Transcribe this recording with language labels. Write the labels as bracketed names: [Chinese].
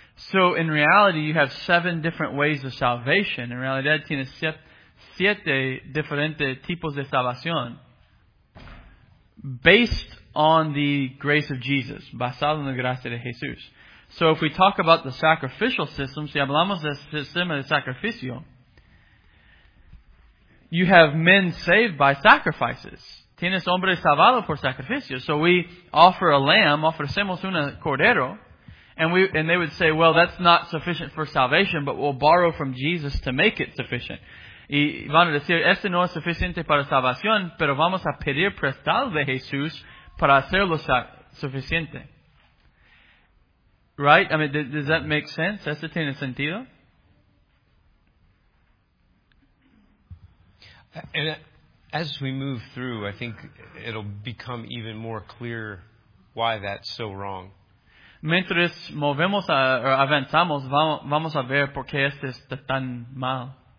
[English] So in reality, you have seven different ways of salvation. [Spanish] En realidad, tienes siete diferentes tipos de salvación. [English] Based on the grace of Jesus. [Spanish] Basado en la gracia de Jesús. [English] So if we talk about the sacrificial system, [Spanish] si hablamos del sistema de sacrificio, [English] you have men saved by sacrifices. [Spanish] Tienes hombres salvados por sacrificios. [English] So we offer a lamb, [Spanish] ofrecemos un cordero, [English] and they would say, well, that's not sufficient for salvation, but we'll borrow from Jesus to make it sufficient. [Spanish] Y van a decir, este no es suficiente para salvación, pero vamos a pedir prestado de Jesús para hacerlo suficiente. [English] Right? I mean, does that make sense? [Spanish] ¿Esto tiene sentido? [English] And as we move through, I think it'll become even more clear why that's so wrong. [Spanish] Mientras movemos o avanzamos, vamos a ver por qué esto está tan mal.